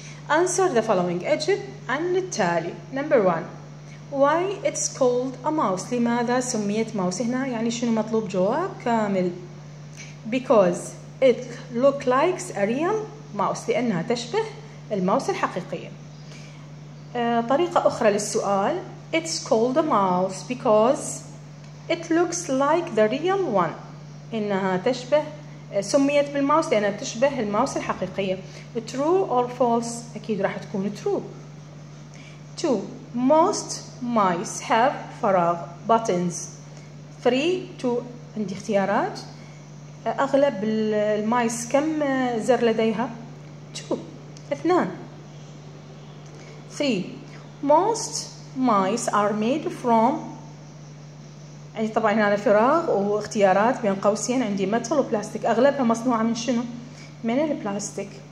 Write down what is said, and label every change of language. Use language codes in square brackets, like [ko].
[en] Answer the following. أجب عن التالي. Number one. Why it's called a mouse. [ar] لماذا سميت ماوس هنا؟ يعني شنو مطلوب جواب كامل؟ Because it looks like a real mouse. لأنها تشبه الماوس الحقيقية. طريقة أخرى للسؤال. [en] It's called a mouse because it looks like the real one. [ar] إنها تشبه سميت بالماوس لأنها تشبه الماوس الحقيقية. [en] True or false؟ أكيد راح تكون true. Two. Most mice have فراغ buttons. Three. Two. عندي اختيارات. [ar] أغلب المايس كم زر لديها؟ Two. [en] اثنان. Three. Most mice are made from. [ar] يعني طبعا هنا فراغ واختيارات بين قوسين، عندي متل وبلاستيك، أغلبها مصنوعة من شنو؟ من البلاستيك.